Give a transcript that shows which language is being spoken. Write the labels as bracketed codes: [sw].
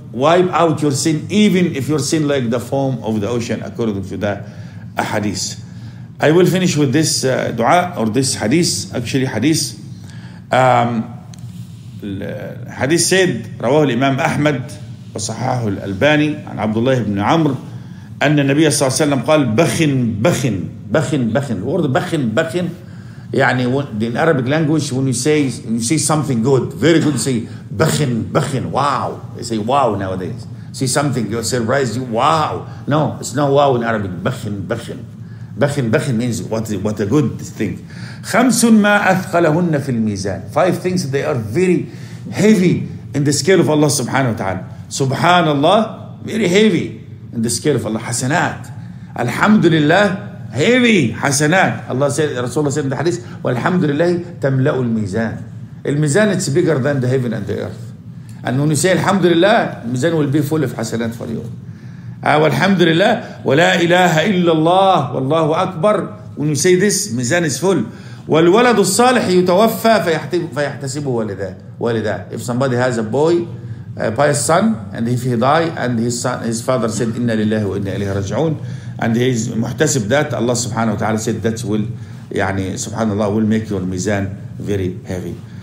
[en] wipe out your sin, even if your sin like the foam of the ocean, according to the hadith. I will finish with this dua or this hadith. Actually, hadith. Hadith said, [ar] رواه الإمام أحمد وصححه الألباني عن عبد الله بن عمر أن النبي صلى الله عليه وسلم قال بخن بخن بخن بخن. [en] The word بخن بخن يعني in Arabic language when you say something good, very good, say بخن بخن. Wow, they say wow nowadays. See something, you're surprised, you wow. No, it's not wow in Arabic. بخن بخن بخن بخن means what a good thing. [ar] خمس ما أثقلهن في الميزان. [en] Five things that they are very heavy in the scale of Allah سبحانه وتعالى. سبحان الله very heavy in the scale of Allah. حسنات. [ar] الحمد لله heavy حسنات. [en] Allah said, [ar] رسول الله [en] said in the hadith, [ar] والحمد لله تملأ الميزان. [en] الميزان it's bigger than the heaven and the earth. And when you say الحمد لله, الميزان will be full of حسنات for you. [ar] والحمد لله ولا إله إلا الله والله أكبر. [en] When you say this, ميزان is full. [ar] والولد الصالح يتوفى فيحتسبه والده. [en] If somebody has a boy, a pious son, and if he die, and his son, his father said, [ar] إنا لله وإنا إليه راجعون, [en] and he is محتسب that, Allah سبحانه وتعالى said that will, يعني سبحان الله, will make your ميزان very heavy.